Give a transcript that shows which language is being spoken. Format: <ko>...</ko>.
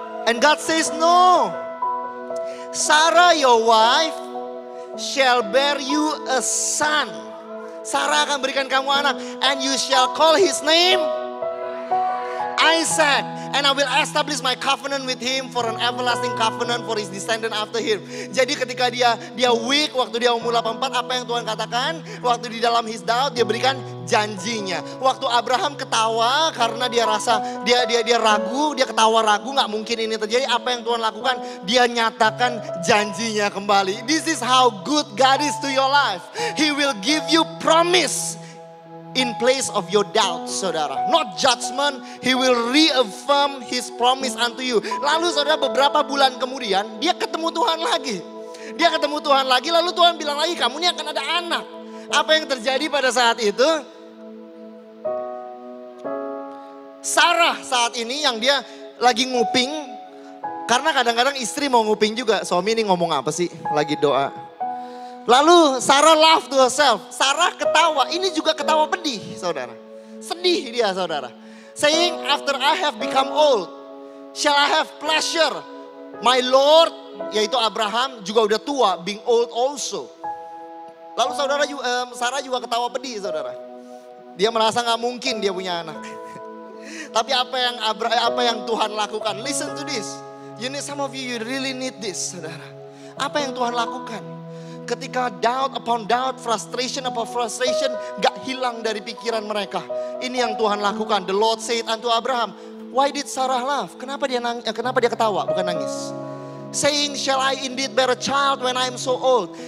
<en>And God says, no, Sarah your wife shall bear you a son.</en> <id>Sarah akan berikan kamu anak,</id> <en>and you shall call his name Isaac, and I will establish my covenant with him for an everlasting covenant for his descendant after him.</en> <id>Jadi ketika dia weak, waktu dia umur 84, apa yang Tuhan katakan? Waktu di dalam</id> <en>his doubt,</en> <id>dia berikan janjinya. Waktu Abraham ketawa karena dia rasa dia ragu, dia ketawa ragu, gak mungkin ini terjadi. Apa yang Tuhan lakukan? Dia nyatakan janjinya kembali.</id> <en>This is how good God is to your life. He will give you promise in place of your doubt, saudara. Not judgment, he will reaffirm his promise unto you.</en> <id>Lalu saudara, beberapa bulan kemudian, dia ketemu Tuhan lagi. Dia ketemu Tuhan lagi, lalu Tuhan bilang lagi, kamu ini akan ada anak. Apa yang terjadi pada saat itu? Sarah saat ini yang dia lagi nguping, karena kadang-kadang istri mau nguping juga, suami ini ngomong apa sih, lagi doa. Lalu Sarah</id> <en>laugh to herself.</en> <id>Sarah ketawa. Ini juga ketawa pedih, saudara. Sedih dia, saudara.</id> <en>Saying, after I have become old, shall I have pleasure? My Lord,</en> <id>yaitu Abraham, juga udah tua,</id> <en>being old also.</en> <id>Lalu saudara, Sarah juga ketawa pedih, saudara. Dia merasa gak mungkin dia punya anak. Tapi apa yang Tuhan lakukan?</id> <en>Listen to this. You need, some of you, you really need this, saudara.</en> <id>Apa yang Tuhan lakukan? Ketika</id> <en>doubt upon doubt, frustration upon frustration,</en> <id>gak hilang dari pikiran mereka. Ini yang Tuhan lakukan.</id> <en>The Lord said unto Abraham, why did Sarah laugh?</en> <id>Kenapa dia ketawa, bukan nangis?</id> <en>Saying, shall I indeed bear a child when I am so old?</en>